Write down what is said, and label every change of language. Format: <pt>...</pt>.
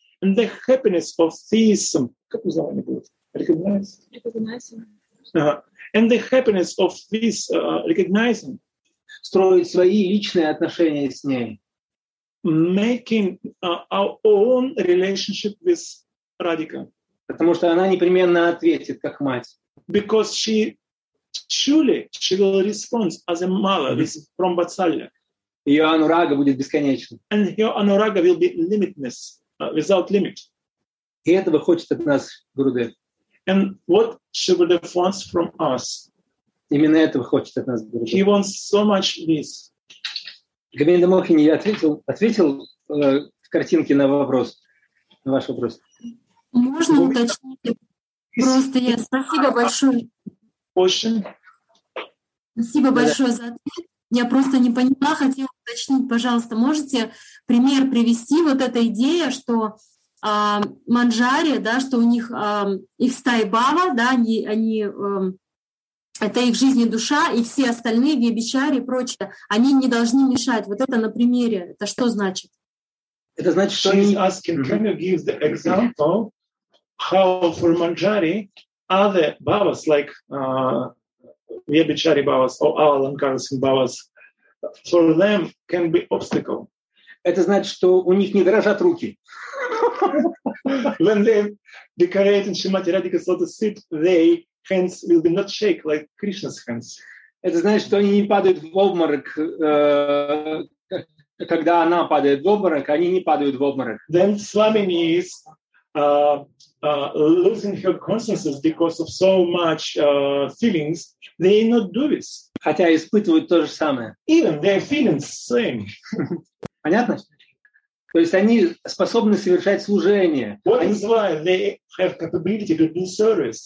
<en>And the happiness of this.</en> <ru>Как узнавание будет?</ru> <en>And the happiness of this recognizing.</en> <ru>Строить свои личные отношения с ней.</ru> <en>Making our own relationship with Radhika.</en> <ru>Потому что она непременно ответит как мать.</ru> <en>Because she will respond as a mother from Vatsalya.</en> <ru>Ее анурага будет бесконечна.</ru> <en>And her anuraga will be limitless, without limit.</en> <ru>И этого хочет от нас Гурудев.</ru> <en>And what she would have wants from us.</en> <ru>Именно этого хочет от нас Гурудев.</ru> <en>He wants so much this.</en> <ru>Говинда Мохини, я ответил в картинке на вопрос, на ваш вопрос. Можно уточнить? Просто я спасибо большое. Спасибо большое за ответ. Я просто не поняла, хотела уточнить, пожалуйста, можете пример привести, вот эта идея, что манджари, да, что у них их стай бава, да, они это их жизнь и душа, и все остальные, вьябичари и прочее, они не должны мешать. Вот это на примере, это что значит? Это значит, что</ru> <en>she's asking, can you give the example how for manjari other bhavas, like vyabhichari bhavas or alankarasim bhavas, for them can be obstacle?</en> <ru>Это значит, что у них не дрожат руки.</ru> <en>When they decorate in Shrimati Radhika's lotus feet, they hands will be not shake like Krishna's hands.</en> <ru>Это значит, что они не падают в обморок, когда она падает в обморок, они не падают в обморок.</ru> <en>Then Swami is losing her consciousness because of so much feelings. They not do this.</en> <ru>Хотя испытывают то же самое.</ru> <en>Even their feelings same.</en> <ru>Понятно? То есть они способны совершать служение.</ru> <en>What</en> <ru>они,</ru> <en>is why they have capability to do service.</en>